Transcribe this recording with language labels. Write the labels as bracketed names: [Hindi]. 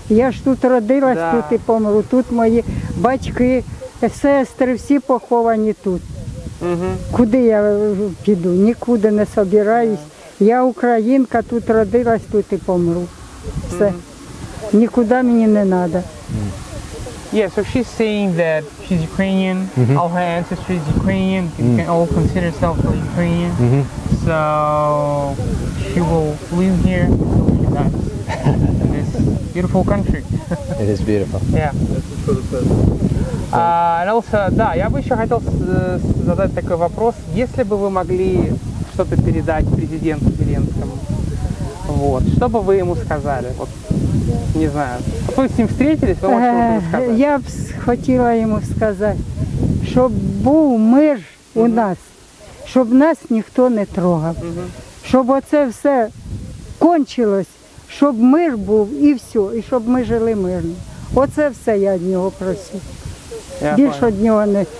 [Russian] Я ж тут родилась, тут и помру. [Ukrainian] Тут мои батьки, сестры, все поховані тут. Куди я піду? Нікуди не собираюсь. Я українка, тут родилась, тут і помру. Все. Нікуди мені не треба. [English] Yeah, so she's saying that she's Ukrainian, all her ancestry is Ukrainian, she can all consider herself Ukrainian, so she will live here until she dies in this beautiful country. It is beautiful. Yeah. And also, [Russian] да, я бы еще хотел задать такой вопрос, если бы вы могли что-то передать президенту Зеленскому, вот, что бы вы ему сказали? Вот. Не знаю. Вы с ним встретились, вы можете сказать? [Ukrainian] Я б хотіла йому сказати, щоб був мир у нас, щоб нас ніхто не трогав, щоб оце все кончилось, щоб мир був і все, і щоб ми жили мирно. Оце все я від нього просив. Більше від нього не.